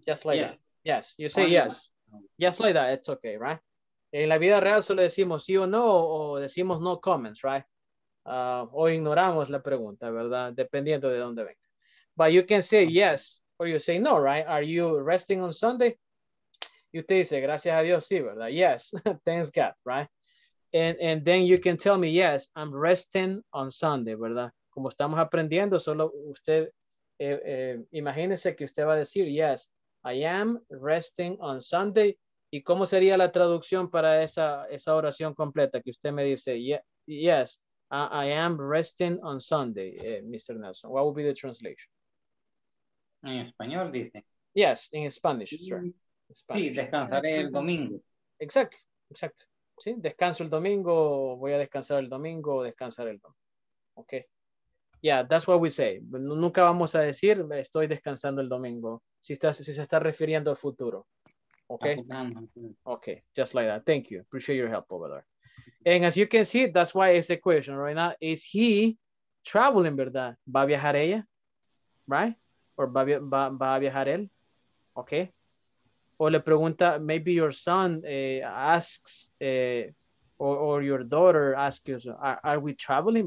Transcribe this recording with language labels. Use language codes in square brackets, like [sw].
[en] just like yeah. That. Yes, you say oh, yes. No. Just like that, it's okay, right? [es] En la vida real solo decimos sí o no, o decimos [en] no comments, [es] right? O ignoramos la pregunta, ¿verdad? Dependiendo de dónde venga. [en] But you can say yes, or you say no, right? Are you resting on Sunday? [es] Y usted dice, gracias a Dios, sí, ¿verdad? [en] Yes, thanks God, right? And then you can tell me, yes, I'm resting on Sunday, ¿verdad? [es] Como estamos aprendiendo, solo usted, imagínese que usted va a decir, [en] yes, I am resting on Sunday. [es] ¿Y cómo sería la traducción para esa oración completa que usted me dice? [en] Yeah, yes, I am resting on Sunday, Mr. Nelson. What would be the translation? [es] En español, dice. [en] Yes, in Spanish, sir. [es] Sí, descansaré el domingo. Exacto, exacto. Sí, descanso el domingo, voy a descansar el domingo, descansar el domingo. [en] Okay. Yeah, that's what we say. [es] Nunca vamos a decir, estoy descansando el domingo, si se está refiriendo al futuro. [en] Okay. Okay, just like that. Thank you. Appreciate your help over there. And as you can see, that's why it's a question right now. Is he traveling, [es] ¿verdad? ¿Va a viajar ella? Right? Or va a viajar él? Okay. O le pregunta, [en] maybe your son asks, or your daughter asks, are we traveling?